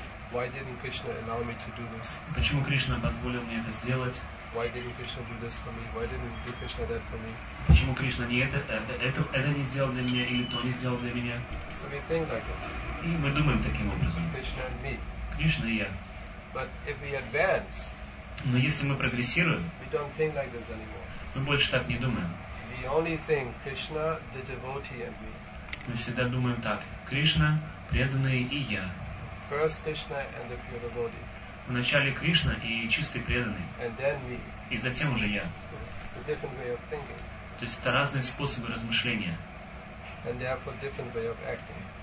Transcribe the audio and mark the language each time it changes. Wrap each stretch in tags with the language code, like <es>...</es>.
<en>Why didn't Krishna allow me to do this?</en> <ru>Почему Кришна позволил мне это сделать?</ru> <en>Why didn't Krishna do this for me? Why didn't do Krishna that for me?</en> <ru>Почему Кришна не это не сделал для меня или то не сделал для меня?</ru> <en>So we think like this.</en> <ru>И мы думаем таким образом.</ru> <en>Krishna and me.</en> <ru>Кришна и я.</ru> <en>But if we advance,</en> <ru>но если мы прогрессируем,</ru> <en>we don't think like this anymore.</en> <ru>Мы больше так не думаем.</ru> <en>We only think Krishna, the devotee, and me.</en> <ru>Мы всегда думаем так: Кришна, преданный и я.</ru> <en>First Krishna and the pure devotee.</en> <ru>Вначале Кришна и чистый преданный.</ru> <en>And then me.</en> <ru>И затем уже я.</ru> <en>It's a different way of thinking.</en> <ru>То есть это разные способы размышления.</ru> <en>And therefore different way of acting.</en>